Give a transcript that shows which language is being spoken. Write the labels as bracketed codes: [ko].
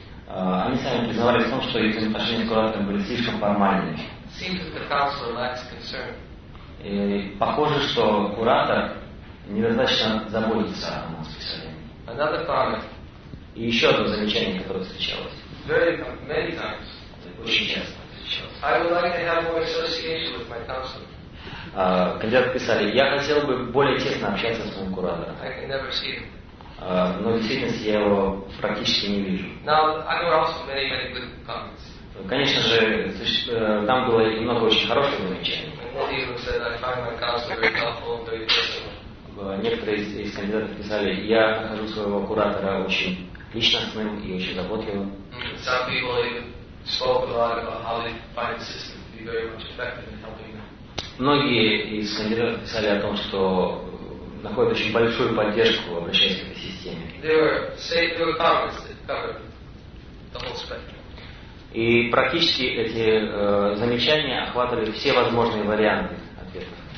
[ru] Они сами признавались в том, что их отношения с куратором были слишком формальными. [en] Seems that the counselor lacks concern. [ru] И похоже, что куратор недостаточно заботится о нас, писали. [en] Another comment. [ru] И еще одно замечание, которое встречалось. [en] Very many times. [ru] Очень часто встречалось. [en] I would like to have more association with my counselor. [ru] Кандидаты писали, я хотел бы более тесно общаться с моим куратором. [en] I can never see him. [ru] Но в действительности я его практически не вижу. [en] Now, there were also many, many good comments. [ru] Конечно же, там было и много очень хороших замечаний. [en] Many of them said, I find my counselor very helpful and very personal. [ru] Некоторые из кандидатов писали, я нахожу своего куратора очень личностным и очень заботливым. [en] Some people even spoke a lot about how they find the system to be very much effective in helping them. [ru] Многие из кандидатов писали о том, что находят очень большую поддержку в обращении к этой системе. И практически эти замечания охватывали все возможные варианты ответов.